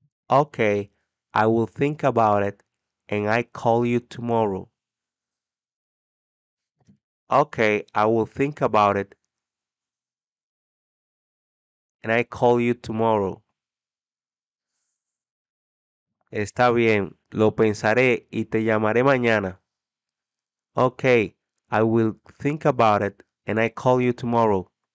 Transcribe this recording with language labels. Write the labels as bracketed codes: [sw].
[en] Okay, I will think about it and I call you tomorrow. Okay, I will think about it and I call you tomorrow. [es] Está bien, lo pensaré y te llamaré mañana. [en] Okay, I will think about it and I call you tomorrow.